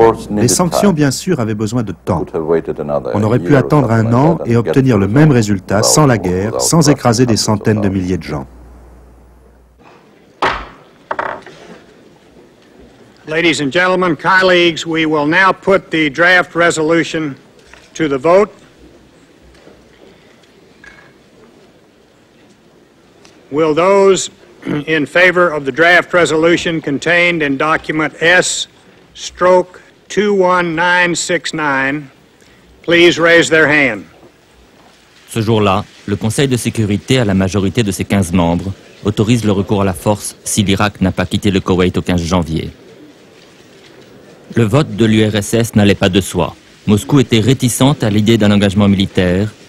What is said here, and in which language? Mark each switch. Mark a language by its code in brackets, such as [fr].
[fr] Les sanctions, bien sûr, avaient besoin de temps. On aurait pu attendre un an et obtenir le même résultat sans la guerre, sans écraser des centaines de milliers de gens. [en] Ladies and gentlemen, colleagues, we will now put the draft resolution to the vote. Will those in favor of the draft resolution contained in document S/21969 please raise their hand? [fr] Ce jour-là, le Conseil de sécurité à la majorité de ses 15 membres autorise le recours à la force si l'Irak n'a pas quitté le Koweït au 15 janvier. Le vote de l'URSS n'allait pas de soi. Moscou était réticente à l'idée d'un engagement militaire.